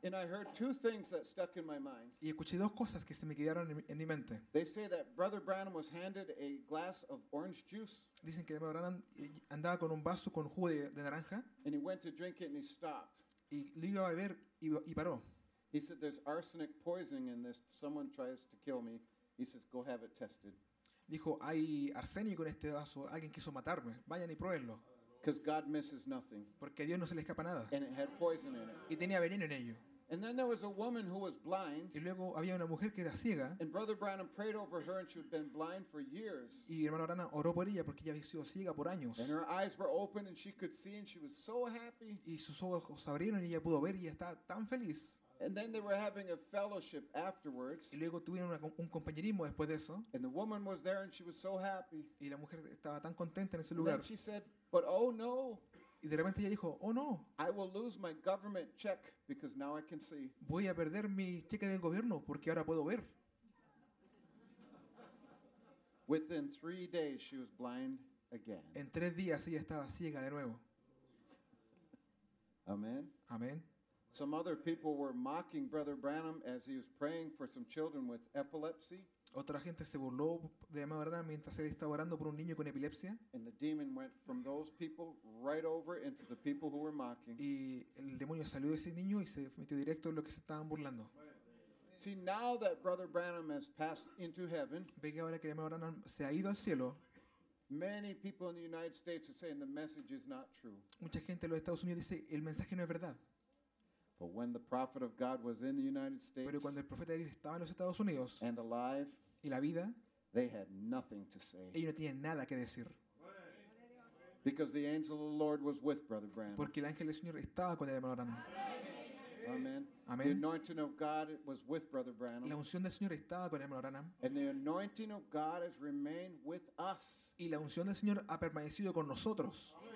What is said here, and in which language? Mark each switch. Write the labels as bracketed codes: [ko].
[en] And I heard two things that stuck in my mind. [es] Y escuché dos cosas que se me quedaron en mi mente. [en] They say that Brother Branham was handed a glass of orange juice. [es] Dicen que el hermano Branham andaba con un vaso con jugo de naranja. [en] And he went to drink it and he stopped. [es] Y lo iba a beber y paró. [en] He said, "There's arsenic poisoning in this. Someone tries to kill me." He says, "Go have it tested." [es] Dijo, "Hay arsénico en este vaso. Alguien quiso matarme. Vayan y pruébenlo." [en] Because God misses nothing. [es] Porque a Dios no se le escapa nada. [en] And it had poison in it. [es] Y tenía veneno en ello. [en] And then there was a woman who was blind. [es] Y luego había una mujer que era ciega. [en] And Brother Branham prayed over her and she had been blind for years. [es] Y hermano Branham oró por ella porque ella había sido ciega por años. [en] And her eyes were open and she could see and she was so happy. [es] Y sus ojos abrieron y ella pudo ver y estaba tan feliz. [en] And then they were having a fellowship afterwards. [es] Y luego tuvieron un compañerismo después de eso. [en] And the woman was there and she was so happy. [es] Y la mujer estaba tan contenta en ese lugar. [en] And then she said, "But oh no." [es] Y de repente ella dijo, "Oh no. [en] I will lose my government check because now I can see." [es] Voy a perder mi cheque del gobierno porque ahora puedo ver. [en] Within 3 days she was blind again. [es] En 3 días ella estaba ciega de nuevo. [en] Amen. Amen. Some other people were mocking Brother Branham as he was praying for some children with epilepsy. [es] Otra gente se burló de hermano Branham mientras él estaba orando por un niño con epilepsia. [en] And the demon went from those people right over into the people who were mocking. [es] Y el demonio salió de ese niño y se metió directo en lo que se estaban burlando. [en] See, now that Brother Branham has passed into heaven. [es] Ve que ahora que hermano Branham se ha ido al cielo. [en] Many people in the United States are saying the message is not true. [es] Mucha gente en los Estados Unidos dice el mensaje no es verdad. [en] But when the prophet of God was in the United States, [es] pero cuando el profeta de Dios estaba en los Estados Unidos, [en] and alive, [es] y la vida, [en] they had nothing to say. [es] Ellos no tenían nada que decir. [en] Because the angel of the Lord was with Brother Branham. [es] Porque el ángel del Señor estaba con el hermano Branham. [en] Amen. [es] Amen. [en] The anointing of God was with Brother Branham. [es] La unción del Señor estaba con el hermano Branham. [en] And the anointing of God has remained with us. [es] Y la unción del Señor ha permanecido con nosotros.